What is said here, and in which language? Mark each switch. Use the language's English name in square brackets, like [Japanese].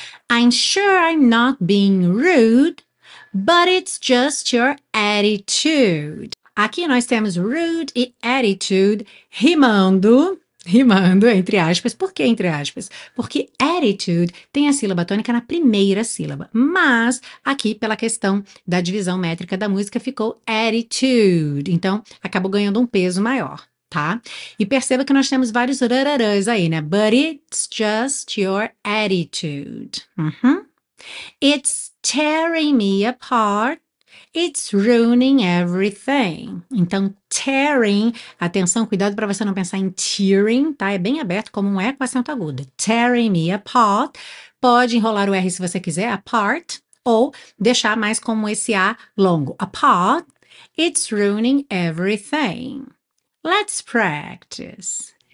[English] I'm sure I'm not being rude, but it's just your attitude. [Portuguese] Aqui nós temos rude e attitude rimando. Rimando, entre aspas. Por que entre aspas? Porque attitude tem a sílaba tônica na primeira sílaba. Mas, aqui, pela questão da divisão métrica da música, ficou attitude. Então, acabou ganhando um peso maior, tá? E perceba que nós temos vários rararãs aí, né? [English] But it's just your attitude. It's tearing me apart. It's ruining everything. [Portuguese] Então, tearing, atenção, cuidado para você não pensar em tearing, tá? É bem aberto como um E com acento agudo. [English] Tearing me apart. [Portuguese] Pode enrolar o R se você quiser, apart, ou deixar mais como esse A longo. [English] Apart, it's ruining everything. Let's practice.